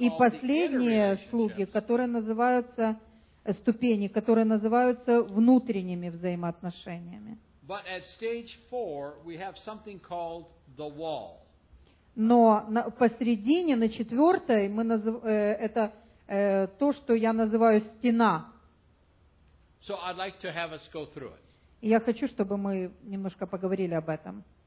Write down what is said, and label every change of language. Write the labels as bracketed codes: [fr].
[ru] и последние слуги, которые называются ступени, которые называются внутренними взаимоотношениями. [en] But at stage 4 we have something called the wall. [ru] Но посередине на четвёртой мы это то, что я называю стена. [en] So I'd like to have us go through it. [ru] Я хочу, чтобы мы немножко поговорили об этом.